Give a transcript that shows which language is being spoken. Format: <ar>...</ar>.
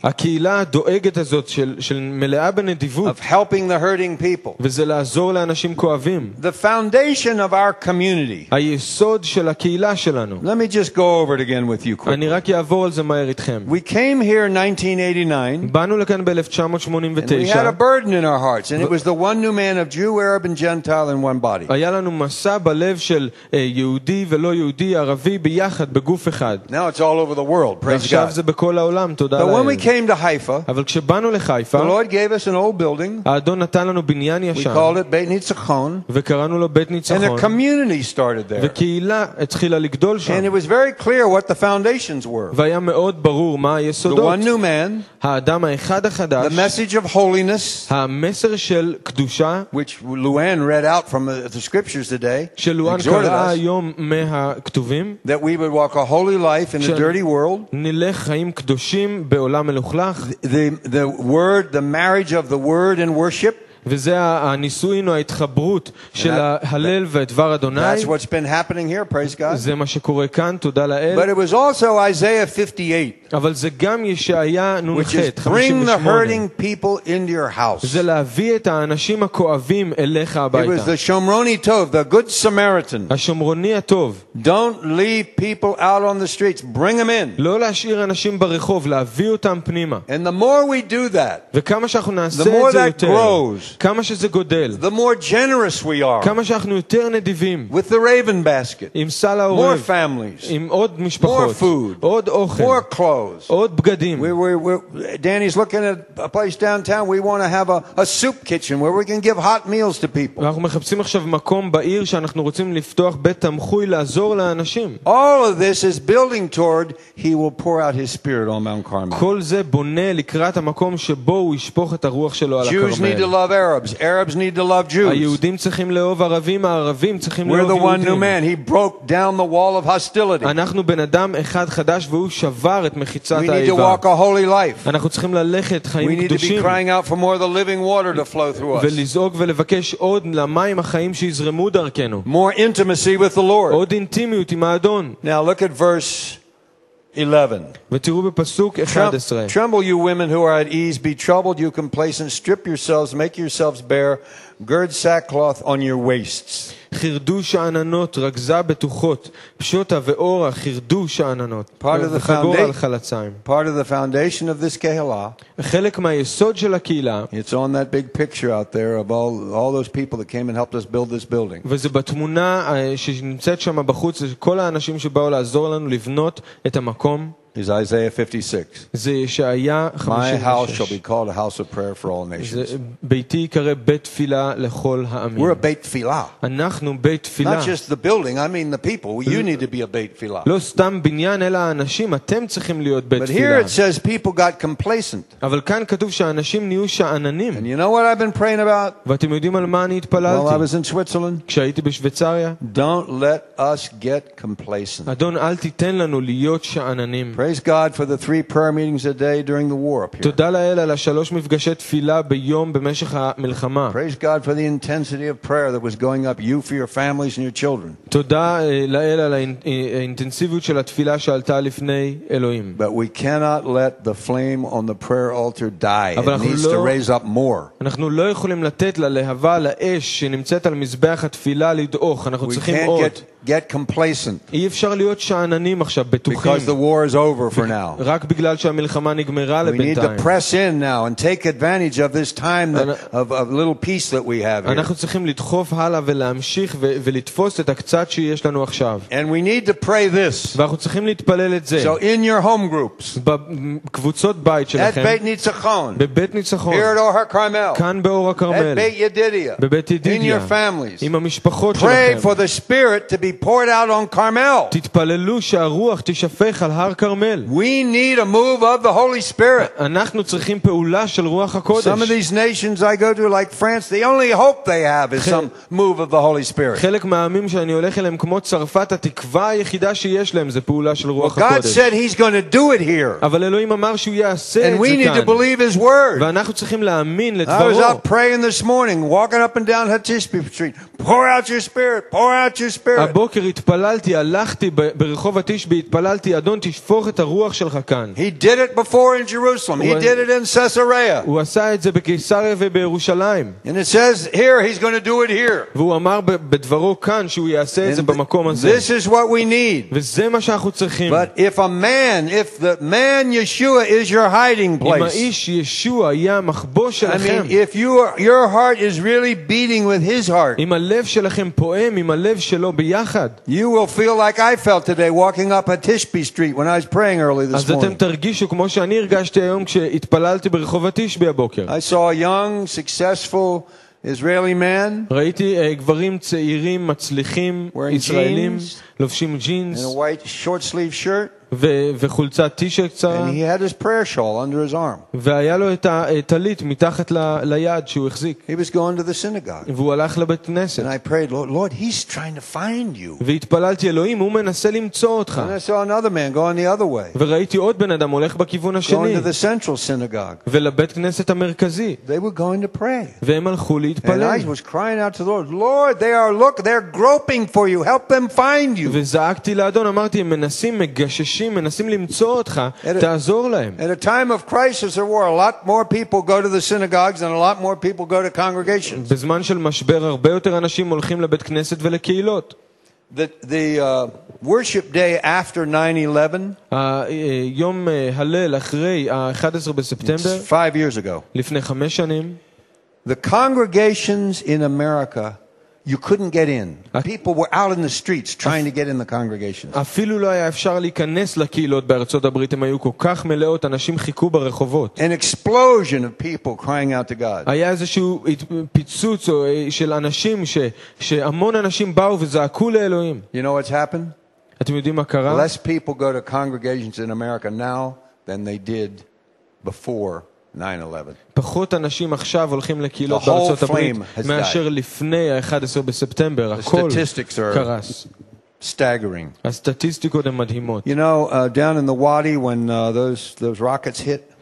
<he>הקהילה הדואגת הזאת של מלאה בנדיבות.</he> <en>Of helping the hurting people.</en> <he>וזה לעזור לאנשים כואבים.</he> <en>The foundation of our community.</en> <he>היסוד של הקהילה שלנו.</he> <en>Let me just go over it again with you quickly.</en> <he>אני רק אעבור על זה מהר איתכם.</he> <en>We came here in 1989.</en> <he>באנו לכאן ב-1989.</he> <en>And we had a burden in our hearts and it was the one new man of Jew, Arab and Gentile in one body.</en> <he>היה לנו מסע בלב של יהודי ולא יהודי, ערבי ביחד בגוף אחד.</he> <en>Now it's all over the world, praise God.</en> <he>עכשיו זה בכל העולם, תודה לאל.</he> <en>But when we came to Haifa,</en> <he>אבל כשבאנו לחיפה,</he> <en>the Lord gave us an old building.</en> <he>האדון נתן לנו בניין ישן.</he> <en>We called it Beit Nitzachon.</en> <he>וקראנו לו בית ניצחון.</he> <en>And a community started there.</en> <he>וקהילה התחילה לגדול שם.</he> <en>And it was very clear what the foundations were.</en> <he>והיה מאוד ברור מה היסודות.</he> <en>The one new man,</en> <he>האדם האחד החדש,</he> <en>the message of holiness,</en> <he>המסר של קדושה,</he> <en>which Luann read out from the scriptures today that we would walk a holy life in a dirty world the word the marriage of the word and worship</en> <he>וזה הניסויים או ההתחברות של הלל ודבר אדוני.</he> <en>That's what's been happening here, praise God.</en> <he>זה מה שקורה כאן, תודה לאל.</he> <en>But it was also Isaiah 58.</en> <he>אבל זה גם ישעיה נ"ח, 58.</he> <en>Bring the hurting people into your house.</en> <he>זה להביא את האנשים הכואבים אליך הביתה.</he> <en>It was the</en> <he>Shomroni Tov,</he> <en>the good Samaritan.</en> <he>השומרוני הטוב.</he> <en>Don't leave people out on the streets, bring them in.</en> <he>לא להשאיר אנשים ברחוב, להביא אותם פנימה.</he> <en>And the more we do that,</en> <he>וכמה שאנחנו נעשה את זה,</he> <en>the more that grows.</en> <he>כמה שזה גודל.</he> <en>The more generous we are.</en> <he>כמה שאנחנו יותר נדיבים.</he> <en>With the raven basket.</en> <he>עם סל האורב.</he> <en>More families.</en> <he>עם עוד משפחות.</he> <en>More food.</en> <he>עוד אוכל.</he> <en>More clothes.</en> <he>עוד בגדים.</he> <en>Danny's looking at a place downtown. We want to have a soup kitchen where we can give hot meals to people.</en> <he>אנחנו מחפשים עכשיו מקום בעיר שאנחנו רוצים לפתוח בית תמחוי לעזור לאנשים.</he> <en>All of this is building toward he will pour out his spirit on Mount Carmel.</en> <he>כל זה בונה לקראת המקום שבו הוא ישפוך את הרוח שלו על</he> <en>הכרמל. Love Arabs. Arabs need to love Jews.</en> <he>היהודים צריכים לאהוב ערבים, הערבים צריכים לאהוב יהודים.</he> <en>We're the one new man. He broke down the wall of hostility.</en> <he>אנחנו בן אדם אחד חדש והוא שבר את מחיצת האיבה.</he> <en>We need to walk a holy life.</en> <he>אנחנו צריכים ללכת חיים קדושים.</he> <en>We need to be crying out for more of the living water to flow through us.</en> <he>ולזעוק ולבקש עוד למים החיים שיזרמו דרכנו.</he> <en>More intimacy with the Lord.</en> <he>עוד אינטימיות עם האדון.</he> <en>Now look at verse 11.</en> <he>ותראו בפסוק 11.</he> <en>Tremble you women who are at ease, be troubled you complacent, strip yourselves, make yourselves bare, gird sackcloth on your waists.</en> <he>חרדו שאננות, רגזה בטוחות, פשוטה ואורה, חרדו שאננות.</he> <en>Part of the foundation of this kehila.</en> <he>חלק מהיסוד של הקהילה.</he> <en>It's on that big picture out there of all those people that came and helped us build this building.</en> <he>וזה בתמונה שנמצאת שם בחוץ, כל האנשים שבאו לעזור לנו לבנות את המקום.</he> <en>Is Isaiah 56.</en> <he>זה ישעיה 56.</he> <en>My house shall be called a house of prayer for all nations.</en> <he>ביתי יקרא בית תפילה לכל העמים.</he> <en>We're a</en> <he>bait tefila. אנחנו בית תפילה.</he> <en>Not just the building, I mean the people. You need to be a</en> <he>bait tefila. לא סתם בניין אלא אנשים, אתם צריכים להיות בית תפילה.</he> <en>But here it says people got complacent.</en> <he>אבל כאן כתוב שאנשים נהיו שאננים.</he> <en>And you know what I've been praying about?</en> <he>ואתם יודעים על מה אני התפללתי?</he> <en>While I was in Switzerland.</en> <he>כשהייתי בשוויצריה.</he> <en>Don't let us get complacent.</en> <he>אדון אל תיתן לנו להיות שאננים.</he> <en>Praise God for the 3 prayer meetings a day during the war up here.</en> <he>תודה לאל על 3 מפגשי תפילה ביום במשך המלחמה.</he> <en>Praise God for the intensity of prayer that was going up you for your families and your children.</en> <he>תודה לאל על האינטנסיביות של התפילה שעלתה לפני אלוהים.</he> <en>But we cannot let the flame on the prayer altar die. It needs to raise up more.</en> <he>אנחנו לא יכולים לתת ללהבה לאש שנמצאת על מזבח התפילה לדעוך. אנחנו צריכים עוד.</he> <en>Get complacent.</en> <he>אי אפשר להיות שאננים עכשיו, בטוחים.</he> <en>Because the war is over for now.</en> <he>רק בגלל שהמלחמה נגמרה לבינתיים.</he> <en>We need to press in now and take advantage of this time of little peace that we have here.</en> <he>אנחנו צריכים לדחוף הלאה ולהמשיך ולתפוס את הקצת שיש לנו עכשיו.</he> <en>And we need to pray this.</en> <he>ואנחנו צריכים להתפלל את זה.</he> <en>So in your home groups.</en> <he>בקבוצות בית שלכם.</he> <en>At Beit Nitzachon.</en> <he>בבית ניצחון.</he> <en>Here at Or HaCarmel.</en> <he>כאן באור הכרמל.</he> <en>At Beit Yedidia.</en> <he>בבית ידידיה.</he> <en>In your families.</en> <he>עם המשפחות</he> <en>pray</en> <he>שלכם.</he> <en>Pray for the spirit to be poured out on Carmel.</en> <he>תתפללו שהרוח תשפך על הר כרמל.</he> <en>We need a move of the Holy Spirit.</en> <he>אנחנו צריכים פעולה של רוח הקודש.</he> <en>Some of these nations I go to like France, the only hope they have is some move of the Holy Spirit.</en> <he>חלק מהעמים שאני הולך אליהם כמו צרפת, התקווה היחידה שיש להם זה פעולה של רוח הקודש.</he> <en>God said he's going to do it here.</en> <he>אבל אלוהים אמר שהוא יעשה את זה כאן.</he> <en>And we need to believe his word.</en> <he>ואנחנו צריכים להאמין לדברו.</he> <en>I was up praying this morning, walking up and down Hatishbe Street. Pour out your spirit, pour out your spirit.</en> <he>בוקר התפללתי, הלכתי ברחוב התשבי, התפללתי, אדון תשפוך את הרוח שלך כאן.</he> <en>He did it before in Jerusalem. He did it in Caesarea.</en> <he>הוא עשה את זה בקיסריה ובירושלים.</he> <en>And it says here he's going to do it here.</en> <he>והוא אמר בדברו כאן שהוא יעשה את זה במקום הזה.</he> <en>This is what we need.</en> <he>וזה מה שאנחנו צריכים.</he> <en>But if the man Yeshua is your hiding place.</en> <he>אם האיש ישוע היה מחבוא שלכם.</he> <en>I mean, if your heart is really beating with his heart.</en> <he>אם הלב שלכם פועם, אם הלב שלו ביחד.</he> <en>You will feel like I felt today walking up at Tishbe Street when I was praying early this morning.</en> <he>אז אתם תרגישו כמו שאני הרגשתי היום כשהתפללתי ברחוב התשבי הבוקר.</he> <en>I saw a young, successful Israeli man.</en> <he>ראיתי גברים צעירים מצליחים ישראלים לובשים ג'ינס.</he> <en>In a white short sleeve shirt.</en> <he>וחולצת טישרט קצרה.</he> <en>And he had his prayer shawl under his arm.</en> <he>והיה לו את הטלית מתחת ליד שהוא החזיק.</he> <en>He was going to the synagogue.</en> <he>והוא הלך לבית כנסת.</he> <en>And I prayed, Lord, he's trying to find you.</en> <he>והתפללתי, אלוהים, הוא מנסה למצוא אותך.</he> <en>And I saw another man going the other way.</en> <he>וראיתי עוד בן אדם הולך בכיוון השני.</he> <en>Going to the central synagogue.</en> <he>ולבית כנסת המרכזי.</he> <en>They were going to pray.</en> <he>והם הלכו להתפלל.</he> <en>And I was crying out to the Lord, Lord, they're groping for you. Help them find you.</en> <he>וזעקתי לאדון, אמרתי, הם מנסים, מגששים, מנסים למצוא אותך, תעזור להם.</he> <en>At a time of crisis or war, a lot more people go to the synagogues and a lot more people go to congregations.</en> <he>בזמן של משבר, הרבה יותר אנשים הולכים לבית כנסת ולקהילות.</he> <en>The worship day after 9/11.</en> <he>יום הלל אחרי ה-11 בספטמבר.</he> <en>5 years ago.</en> <he>לפני 5 שנים.</he> <en>The congregations in America, you couldn't get in. People were out in the streets trying to get in the congregations.</en> <he>אפילו לא היה אפשר להיכנס לקהילות בארצות הברית, הם היו כל כך מלאות, אנשים חיכו ברחובות.</he> <en>An explosion of people crying out to God.</en> <he>היה איזשהו פיצוץ של אנשים שהמון אנשים באו וזעקו לאלוהים.</he> <en>You know what's happened?</en> <he>אתם יודעים מה קרה?</he> <en>Less people go to congregations in America now than they did before 9/11.</en> <he>פחות אנשים עכשיו הולכים לקהילות בארצות הברית מאשר לפני ה-11 בספטמבר. הכל קרס.</he> <en>Staggering.</en> <he>הסטטיסטיקות הן מדהימות.</he> <en>You know, down in the Wadi when those rockets hit.</en>